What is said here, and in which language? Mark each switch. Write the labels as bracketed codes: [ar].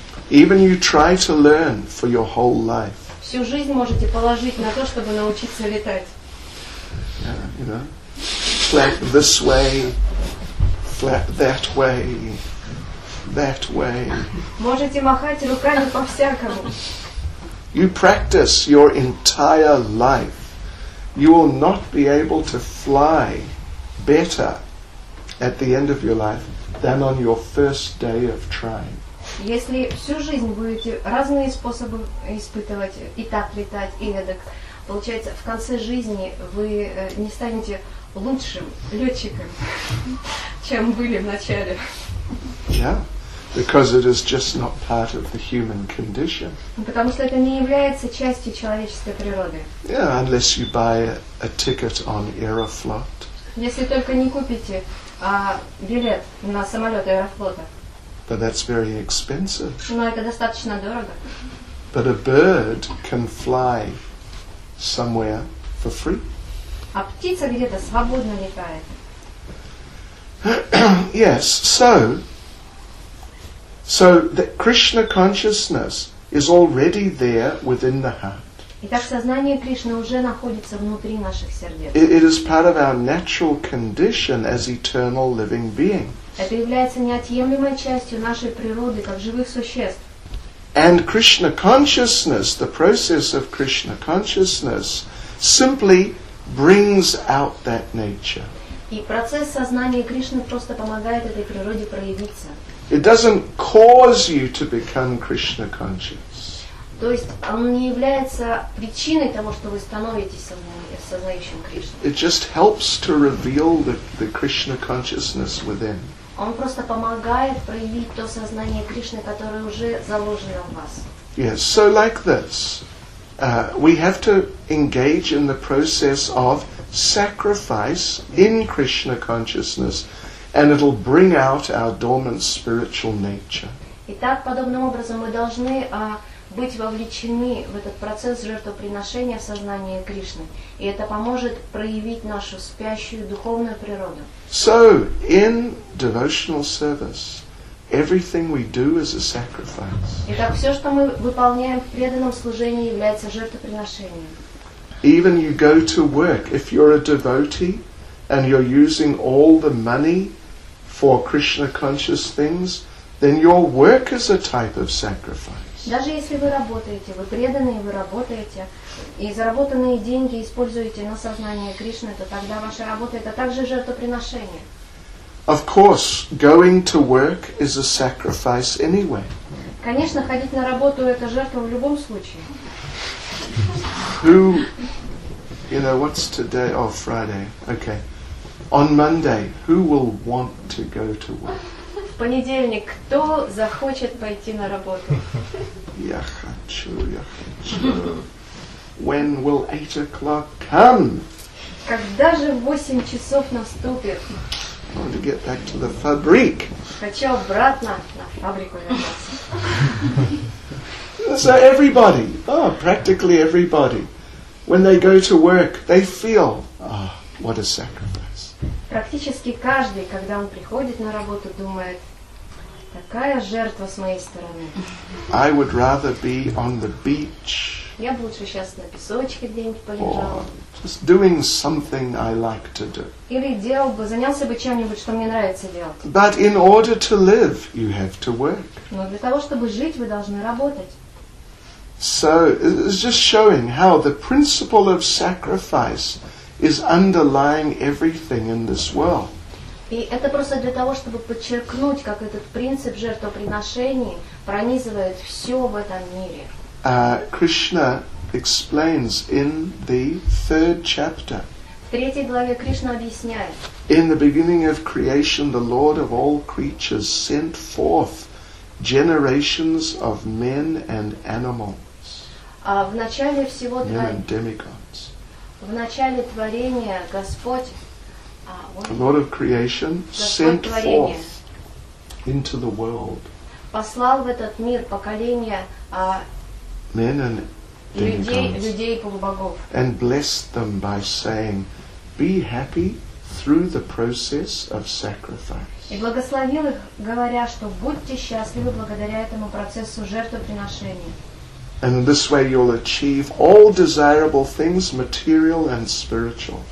[en] Even you try to learn for your whole life. [ru] Всю жизнь можете положить на то, чтобы научиться летать. [en] You know, flap this way, flap that way. That way. [ru] Можете махать руками по-всякому. [en] You practice your entire life. You will not be able to fly better at the end of your life than on your first day of trying. [ru] Если всю жизнь будете разные способы испытывать, и так летать, и эдак, получается, в конце жизни вы не станете лучшим летчиком, чем были в начале. [en] Yeah. Because it is just not part of the human condition. [ru] Потому что это не является частью человеческой природы. [en] Yeah, unless you buy a ticket on Aeroflot. [ru] Если только не купите билет на самолет Аэрофлота. [en] But that's very expensive. [ru] Но это достаточно дорого. [en] But a bird can fly somewhere for free. [ru] А птица где-то свободно летает. [en] Yes, so. So that Krishna consciousness is already there within the heart. [ru] Итак, сознание Кришны уже находится внутри наших сердец. [en] It is part of our natural condition as eternal living beings. [ru] Это является неотъемлемой частью нашей природы как живых существ. [en] And Krishna consciousness, the process of Krishna consciousness, simply brings out that nature. [ru] И процесс сознания Кришны просто помогает этой природе проявиться. [en] It doesn't cause you to become Krishna conscious. [ru] То есть он не является причиной того, что вы становитесь осознающим Кришну. [en] It just helps to reveal the Krishna consciousness within. [ru] Он просто помогает проявить то сознание Кришны, которое уже заложено в вас. [en] Yes, so like this. We have to engage in the process of sacrifice in Krishna consciousness. And it'll bring out our dormant spiritual nature. [ru] Итак, подобным образом мы должны быть вовлечены в этот процесс жертвоприношения в сознании Кришны, и это поможет проявить нашу спящую духовную природу. [en] So, in devotional service, everything we do is a sacrifice. [ru] Итак, все, что мы выполняем в преданном служении, является жертвоприношением. [en] Even you go to work, if you're a devotee, and you're using all the money for Krishna conscious things, then your work is a type of sacrifice. [ru] Даже если вы работаете, вы преданные, вы работаете, и заработанные деньги используете на сознание Кришны, то тогда ваша работа это также жертвоприношение. [en] Of course, going to work is a sacrifice anyway. [ru] Конечно, ходить на работу это жертва в любом случае. [en] Who, you know, what's today? Oh, Friday. Okay. On Monday, who will want to go to work? [ru] В понедельник кто захочет пойти на работу? Я хочу, я хочу. [en] When will 8 o'clock come? [ru] Когда же 8 часов наступит? [en] I want to get back to the fabric. [ru] Хочу обратно на фабрику вернуться. [en] So everybody, oh, practically everybody, when they go to work, they feel, oh, what a sacrifice. [ru] Практически каждый, когда он приходит на работу, думает, такая жертва с моей стороны. [en] I would rather be on the beach. [ru] Я бы лучше сейчас на песочке где-нибудь полежал. [en] Just doing something I like to do. [ru] Или делал бы, занялся бы чем-нибудь, что мне нравится делать. [en] But in order to live, you have to work. [ru] Но для того, чтобы жить, вы должны работать. [en] So it's just showing how the principle of sacrifice is underlying everything in this world. [ru] И это просто для того, чтобы подчеркнуть, как этот принцип жертвоприношений пронизывает все в этом мире. [en] Krishna explains in the third chapter. [ru] В третьей главе Кришна объясняет. [en] In the beginning of creation, the Lord of all creatures sent forth generations of men and animals. [ru] В начале всего творения. В начале творения Господь. [en] The Lord of creation sent forth into the world. [ru] Послал в этот мир поколение. [en] Men and [ru] людей, [en] and blessed them by saying, "Be happy through the process of sacrifice." [ru] И благословил их, говоря, что будьте счастливы благодаря этому процессу жертвоприношения. [en] And in this way, you'll achieve all desirable things, material and spiritual.